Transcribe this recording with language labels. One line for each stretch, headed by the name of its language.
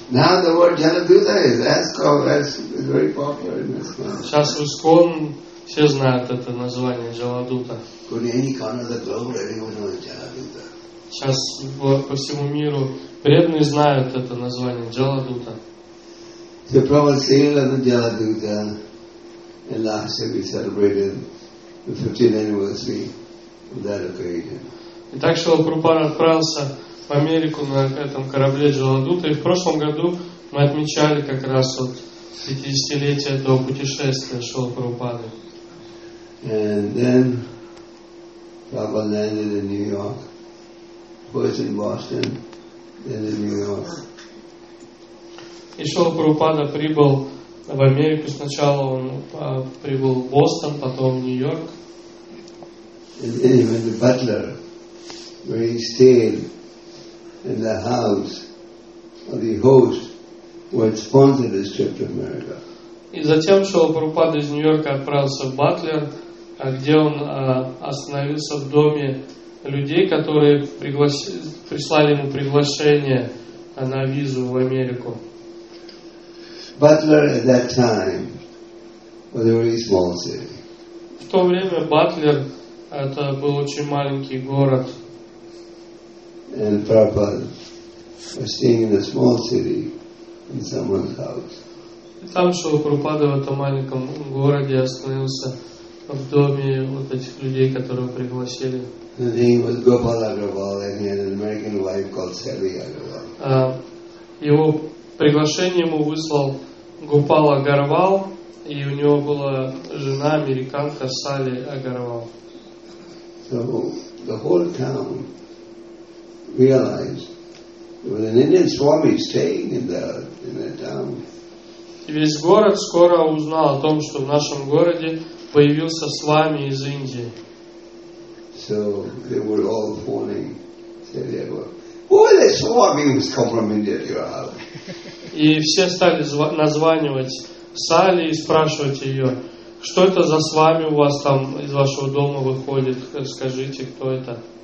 Russian: Сейчас в Искон все знают это название Джаладута. Сейчас по всему миру преданные знают это название Джаладута.
English: The Prabhupada sailed on the Jaladuta, and last year we celebrated the 15th anniversary of that occasion.
Russian: И так Шрила Прабхупада отправился в Америку на этом корабле Джаладута, и в прошлом году мы отмечали как раз вот 50-летие этого путешествия Шрила Прабхупады.
English: And then Prabhupada landed in New York, first in Boston, then in New York.
Russian: И Шрила Прабхупада прибыл в Америку. Сначала он прибыл в Бостон, потом в Нью-Йорк.
English: And then he went to Butler, where he stayed in the house of the host who had sponsored his trip to America.
Russian: И затем Шрила Прабхупада из Нью-Йорка отправился в Батлер, где он остановился в доме людей, которые прислали ему приглашение на визу в Америку.
English: Butler at that time was a very small city.
Russian: В то время Батлер это был очень маленький город.
English: And Prabhupada was staying in a small city in someone's house.
Russian: Там Шрила Прабхупада в этом маленьком городе остановился в доме вот этих людей, которые пригласили.
English: His name was Gopal Agarwal, and he had an American wife called Sally Agarwal.
Russian: Его приглашение ему выслал Гупал Агарвал, и у него была жена американка Сали Агарвал.
English: So the whole town realized there was an Indian Swami staying in that town.
Russian: И весь город скоро узнал о том, что в нашем городе появился свами из Индии.
English: So they were all phoning Sali Agarwal. Who is the Swami who's come from India to your house?
Russian: И все стали названивать Сали и спрашивать ее, что это за с вами у вас там из вашего дома выходит, скажите, кто это.